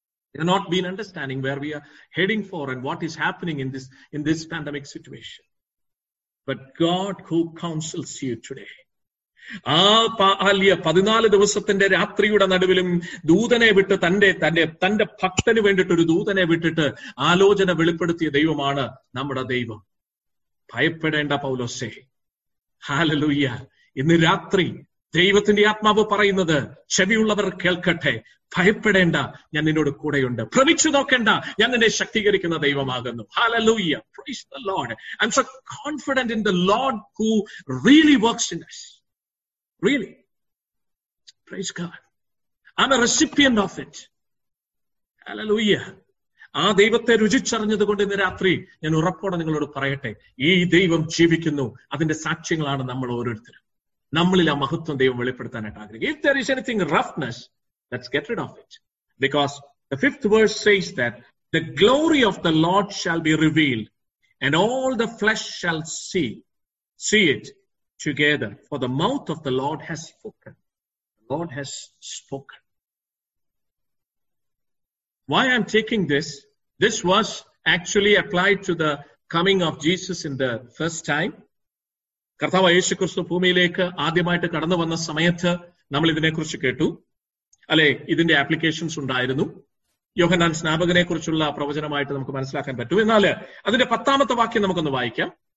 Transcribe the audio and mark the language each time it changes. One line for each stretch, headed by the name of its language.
English: They have not been understanding where we are heading for and what is happening in this pandemic situation. But God who counsels you today.
Malayalam: Alia 14 ദിവസത്തിന്റെ രാത്രിയുടെ നടുവിലും ദൂതനെ വിട്ട് തന്റെ ഭക്തന് വേണ്ടിയിട്ട് ഒരു ദൂതനെ വിട്ടിട്ട് ആലോചന വെളിപ്പെടുത്തിയ ദൈവമാണ് നമ്മുടെ ദൈവം. ഭയപ്പെടേണ്ട പൗലോസേ. ഹല്ലേലൂയ. ഇന്ന് രാത്രി ദൈവത്തിന്റെ ആത്മാവ് പറയുന്നത് ചെവിയുള്ളവർ കേൾക്കട്ടെ, ഭയപ്പെടേണ്ട, ഞാൻ നിന്നോട് കൂടെയുണ്ട്. ഭ്രമിച്ചു നോക്കേണ്ട, ഞാൻ നിന്നെ ശക്തീകരിക്കുന്ന ദൈവമാകുന്നു.
English: Hallelujah. Praise the Lord. I'm so confident in the Lord who really works in us. Really. Praise God. I'm a recipient of it. Hallelujah.
Malayalam: ആ ദൈവത്തെ രുചിച്ചറിഞ്ഞത് കൊണ്ട് ഇന്ന് രാത്രി ഞാൻ ഉറപ്പോടെ നിങ്ങളോട് പറയട്ടെ, ഈ ദൈവം ജീവിക്കുന്നു. അതിന്റെ സാക്ഷ്യങ്ങളാണ് നമ്മൾ ഓരോരുത്തരും. നമ്മളിൽ ആ മഹത്വം ദൈവം വെളിപ്പെടുത്താനായിട്ട് ആഗ്രഹിക്കും.
English: If there is anything roughness, let's get rid of it. Because the fifth verse says that the glory of the Lord shall be revealed and all the flesh shall see. see it together. For the mouth of the Lord has spoken. The Lord has spoken. Why I'm taking this? This was actually applied to the coming of Jesus in the first time.
Malayalam: കർത്താവ് യേശു ക്രിസ്തു ഭൂമിയിലേക്ക് ആദ്യമായിട്ട് കടന്നു വന്ന സമയത്ത് നമ്മൾ ഇതിനെ കുറിച്ച് കേട്ടു, അല്ലെ? ഇതിന്റെ ആപ്ലിക്കേഷൻസ് ഉണ്ടായിരുന്നു. യോഹന്നാൻ സ്നാപകനെ കുറിച്ചുള്ള പ്രവചനമായിട്ട് നമുക്ക് മനസ്സിലാക്കാൻ പറ്റും. എന്നാല് അതിന്റെ 10-ാമത്തെ വാക്യം നമുക്കൊന്ന് വായിക്കാം.